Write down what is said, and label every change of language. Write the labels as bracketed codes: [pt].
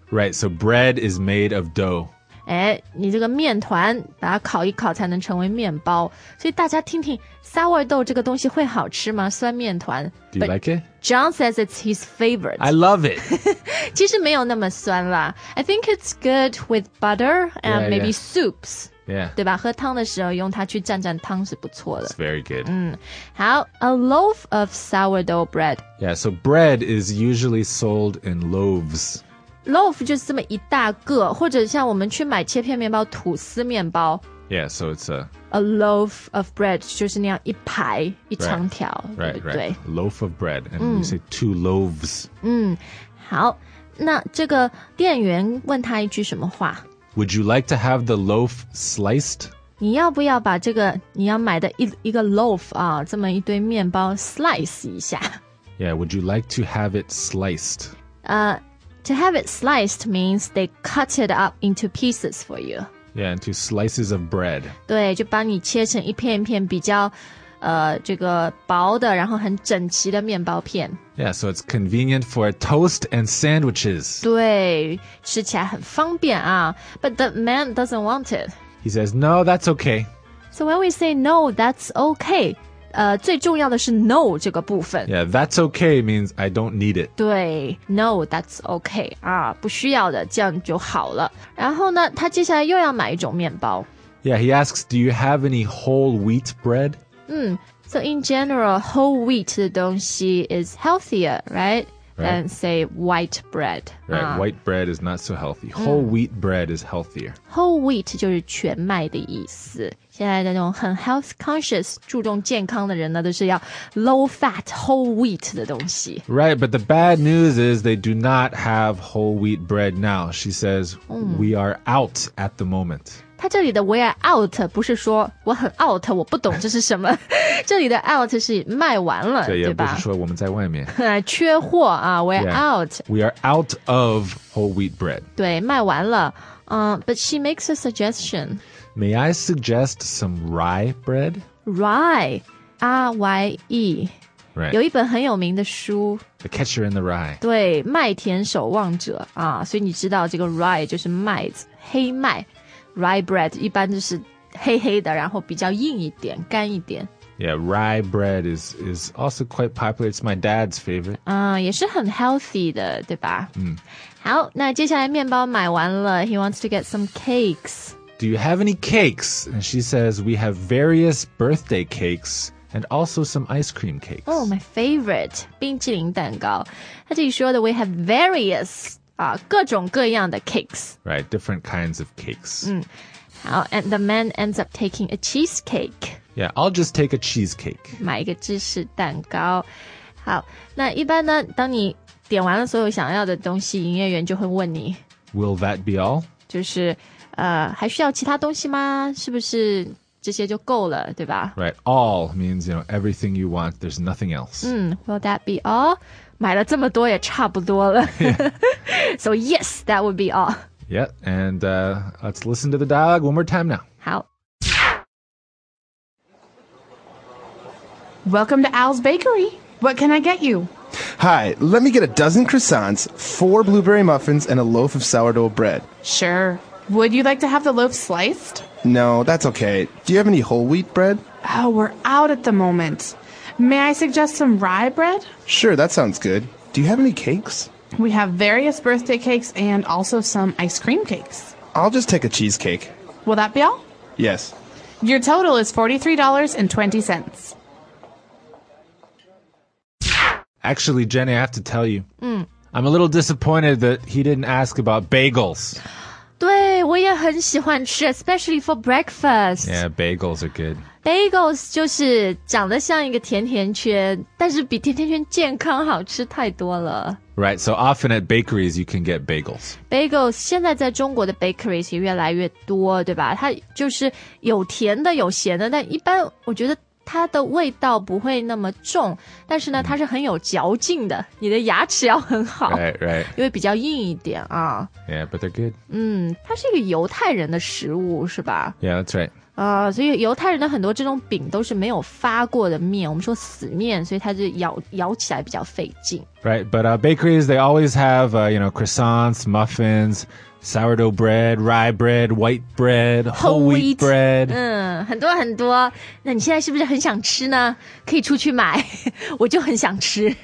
[en] Right, so bread is made of dough. [zh] 哎，你这个面团，把它烤一烤才能成为面包。所以大家听听 ,sourdough 这个东西会好吃吗？酸面团。 [en] Do you like it? John says it's his favorite. I love it. [zh] 其实没有那么酸啦。 [en] I think it's good with butter and maybe soups. Yeah. [zh] 对吧？喝汤的时候用它去蘸蘸汤是不错的。 [en] It's very good. 好 ,a loaf of sourdough bread. Yeah, so bread is usually sold in loaves. [zh] Loaf 就是这么一大个，或者像我们去买切片面包，吐司面包。 [en] Yeah, so it's a... A loaf of bread, [zh] 就是那样一排一长条 [en] right, [zh] 对不对 [en] right. Loaf of bread, and you say two loaves. [zh] 好,那这个店员问他一句什么话? [en] Would you like to have the loaf sliced? [zh] 你要不要把这个你要买的一个 loaf 啊,这么一堆面包 slice 一下? [en] Yeah, would you like to have it sliced? To have it sliced means they cut it up into pieces for you. Yeah, into slices of bread. [zh] 对，就把你切成一片一片比较，这个薄的，然后很整齐的面包片。 [en] Yeah, so it's convenient for toast and sandwiches. [zh] 对，吃起来很方便啊。 [en] But the man doesn't want it. He says, no, that's okay. So when we say no, that's okay, [zh] 最重要的是 [en] no [zh] 这个部分。 [en] Yeah, that's okay means I don't need it. [zh] 对 , [en] no, that's okay, [zh] 啊，不需要的，这样就好了。然后呢，他接下来又要买一种面包。 [en] Yeah, he asks, do you have any whole wheat bread? So in general, whole wheat [zh] 的东西 [en] is healthier, right? than say white bread. Right, white bread is not so healthy. Whole wheat bread is healthier. [zh] Whole wheat 就是全麦的意思。现在那种很 [en] health conscious, [zh] 注重健康的人呢都是要 [en] low fat, whole wheat [zh] 的东西。 [en] Right, but the bad news is they do not have whole wheat bread now. She says, we are out at the moment. [zh] 他这里的 [en] we are out [zh] 不是说我很 out 我不懂这是什么这里的 out 是卖完了对吧不是说我们在外面缺货啊 [en] we are out We are out of whole wheat bread [zh] 对卖完了、 [en] But she makes a suggestion May I suggest some rye bread? Rye R-Y-E Right. [zh] 有一本很有名的书 [en] The Catcher in the Rye [zh] 对麦田守望者、啊、所以你知道这个 rye 就是麦子黑麦Rye bread 一般就是黑黑的然后比较硬一点干一点 [en] Yeah, rye bread is also quite popular It's my dad's favorite [zh] 也是很 healthy 的对吧、 mm. 好那接下来面包买完了 [en] He wants to get some cakes Do you have any cakes? And she says we have various birthday cakesAnd also some ice cream cakes Oh, my favorite [zh] 冰淇淋蛋糕他这里说的 [en] We have various、 [zh] 各种各样的 [en] cakes Right, different kinds of cakes、好 And the man ends up taking a cheesecake Yeah, I'll just take a cheesecake [zh] 买一个芝士蛋糕好那一般呢当你点完了所有想要的东西营业员就会问你 [en] Will that be all? [zh] 就是、还需要其他东西吗是不是这些就够了对吧 [en] Right, all means, you know, everything you want, there's nothing else. Will that be all? [zh] 买了这么多也差不多了。 [en] Yeah. So yes, that would be all. Yeah, and let's listen to the dialogue one more time now. [zh] 好。 [en] Welcome to Al's Bakery. What can I get you? Hi, let me get a dozen croissants, 4 blueberry muffins, and a loaf of sourdough bread. Sure. Would you like to have the loaf sliced? No, that's okay. Do you have any whole wheat bread? Oh, we're out at the moment. May I suggest some rye bread? Sure, that sounds good. Do you have any cakes? We have various birthday cakes and also some ice cream cakes. I'll just take a cheesecake. Will that be all? Yes. Your total is $43.20. Actually, Jenny, I have to tell you. I'm a little disappointed that he didn't ask about bagels. [zh] 对我也很喜欢吃 [en] especially for breakfast. Yeah, bagels are good. [zh] Bagels 就是长得像一个甜甜圈但是比甜甜圈健康好吃太多了。 [en] Right, so often at bakeries you can get bagels. [zh] Bagels 现在在中国的 bakeries 也越来越多对吧它就是有甜的有咸的但一般我觉得它的味道不会那么重但是呢它是很有嚼劲的你的牙齿要很好 [en] right, right. [zh] 因为比较硬一点啊 [en] Yeah, but they're good [zh] 它是一个犹太人的食物是吧 [en] Yeah, that's right、 [zh] 所以犹太人的很多这种饼都是没有发过的面我们说死面所以它就 咬起来比较费劲 [en] Right, but bakeries, they always have you know, croissants, muffins,Sourdough bread, rye bread, white bread, whole wheat bread. [zh] 很多很多。那你现在是不是很想吃呢？可以出去买。我就很想吃。